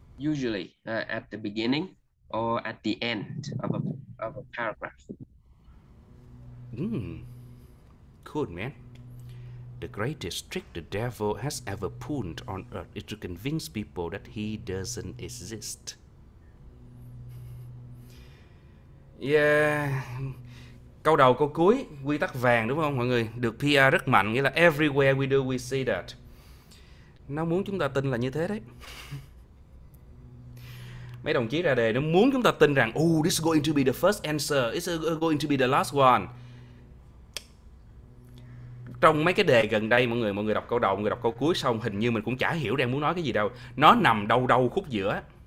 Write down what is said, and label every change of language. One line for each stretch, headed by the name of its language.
English: Usually at the beginning or at the end of a paragraph. Cool, man. The greatest trick the devil has ever pulled on earth is to convince people that he doesn't exist. Yeah.
Vietnamese: Câu đầu câu cuối, quy tắc vàng đúng không mọi người? Được PR rất mạnh, nghĩa là
English: everywhere we do we see that.
Vietnamese: Nó muốn chúng ta tin là như thế đấy. Mấy đồng chí ra đề nó muốn chúng ta tin rằng
English: oh, this is going to be the first answer, it's going to be the last one.
Vietnamese: Trong mấy cái đề gần đây mọi người đọc câu đầu, mọi người đọc câu cuối xong hình như mình cũng chả hiểu đang muốn nói cái gì đâu. Nó nằm đâu đâu khúc giữa.